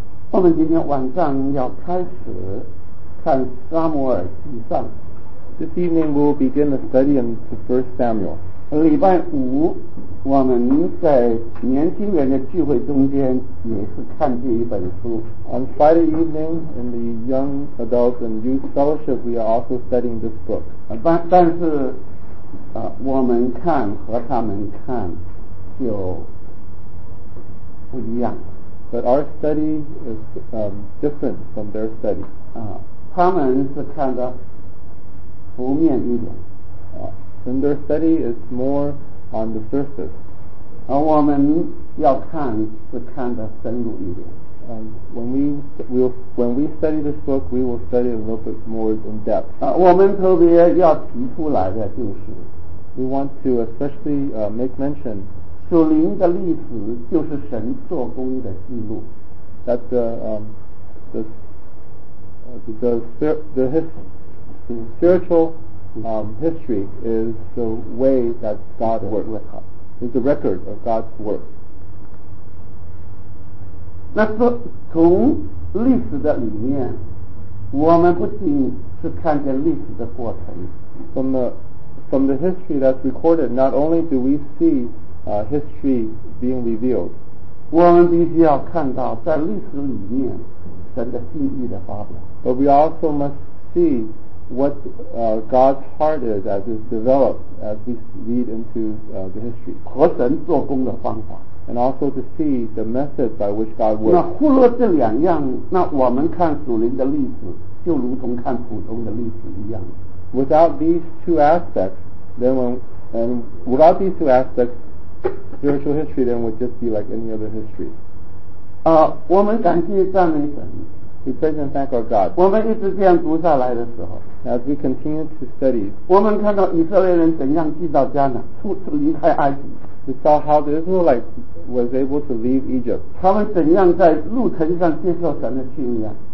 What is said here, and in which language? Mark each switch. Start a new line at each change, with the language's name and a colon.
Chinese: 我们今天晚上要开始看撒母耳记上。
English: This evening we'll begin the study in the First Samuel.
Chinese: 礼拜五我们在年轻人的聚会中间也是看这一本书。
English: On Friday evening in the Young Adults and Youth Fellowship, we are also studying this book.
Chinese: 但是我们看和他们看就不一样。
English: But our study is different from their study.
Chinese: 他们是看的浮面一点。
English: And their study is more on the surface.
Chinese: 而我们要看是看的深入一点。
English: When we study this book, we will study a little bit more in depth.
Chinese: 我们特别要提出来的就是
English: We want to especially make mention.
Chinese: 属灵的历史就是神做工的记录。
English: That the spiritual history is the way that God works. It's the record of God's work.
Chinese: 那说从历史的里面，我们不仅是看见历史的过程。
English: From the history that's recorded, not only do we see. History being revealed.
Chinese: 我们必须要看到在历史里面神的心意的发表。
English: But we also must see what God's heart is as it's developed as we read into the history.
Chinese: 和神做工的方法。
English: And also to see the method by which God works.
Chinese: 那忽略这两样，那我们看属灵的历史就如同看普通的历史一样。
English: Without these two aspects, spiritual history then would just be like any other history.
Chinese: 我们感谢赞美神。
English: We praise and thank our God.
Chinese: 我们一直这样读下来的时候。
English: As we continue to study.
Chinese: 我们看到以色列人怎样进到迦南，出离开埃及。
English: We saw how the Israelites was able to leave Egypt.
Chinese: 他们怎样在路程上接受神的训练。